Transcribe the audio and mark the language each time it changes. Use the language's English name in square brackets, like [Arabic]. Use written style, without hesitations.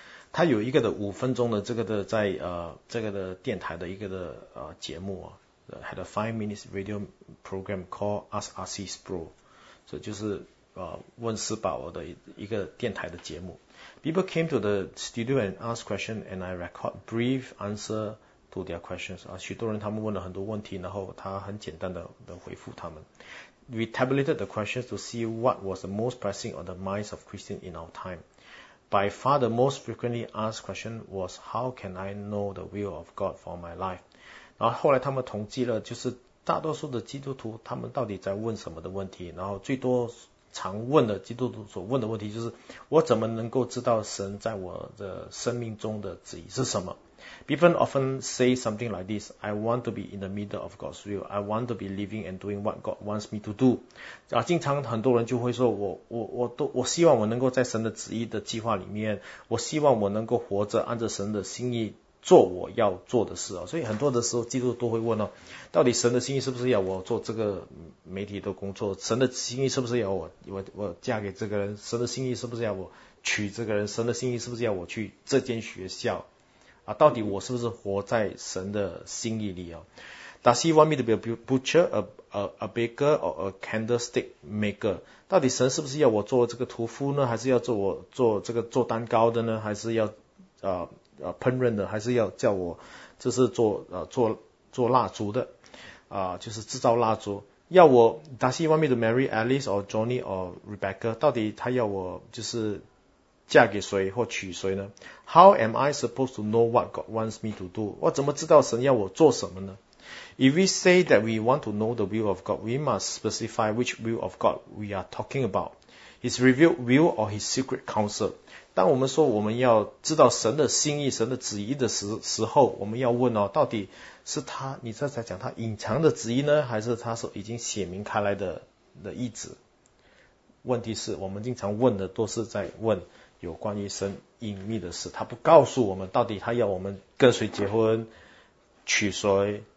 [Chinese] 他有一个的五分钟的这个的在这个的电台的一个的节目啊 ， [English] had a 5-minute radio program called Ask RC Pro， [Chinese] 这就是。问斯宝尔的一个电台的节目。 [English] People came to the studio and asked questions, and I record brief answer to their questions. [Chinese] 许多人他们问了很多问题，然后他很简单的回复他们。 [English] We tabulated the questions to see what was the most pressing on the minds of Christians in our time. By far the most frequently asked question was, How can I know the will of God for my life? [Chinese] 然后后来他们统计了，就是大多数的基督徒他们到底在问什么的问题，然后最多常问的基督徒所问的问题就是，我怎么能够知道神在我的生命中的旨意是什么？ [English] People often say something like this, I want to be in the middle of God's will, I want to be living and doing what God wants me to do. [Chinese] 经常很多人就会说，我希望我能够在神的旨意的计划里面，我希望我能够活着按着神的心意做我要做的事啊。所以很多的时候基督徒都会问哦，到底神的心意是不是要我做这个媒体的工作，神的心意是不是要我嫁给这个人，神的心意是不是要我娶这个人，神的心意是不是要我去这间学校啊，到底我是不是活在神的心意里啊。 [English] Does he want me to be a butcher, a baker, or a candlestick maker? [Chinese] 到底神是不是要我做这个屠夫呢？还是要做我做这个做蛋糕的呢？还是要烹饪的？还是要叫我这是做做蜡烛的就是制造蜡烛。要我 [English] ,does he want me to marry Alice or Johnny or Rebecca? [Chinese] 到底他要我就是嫁给谁或娶谁呢 ? [English] How am I supposed to know what God wants me to do? [Chinese] 我怎么知道神要我做什么呢？ [English] If we say that we want to know the will of God, we must specify which will of God we are talking about, His revealed will or His secret counsel. [Chinese] 当我们说我们要知道神的心意、神的旨意的时候，我们要问哦，到底是他，你这才讲他隐藏的旨意呢，还是他所已经显明开来的意志？问题是我们经常问的都是在问有关于神隐秘的事，他不告诉我们到底他要我们跟谁结婚、娶谁。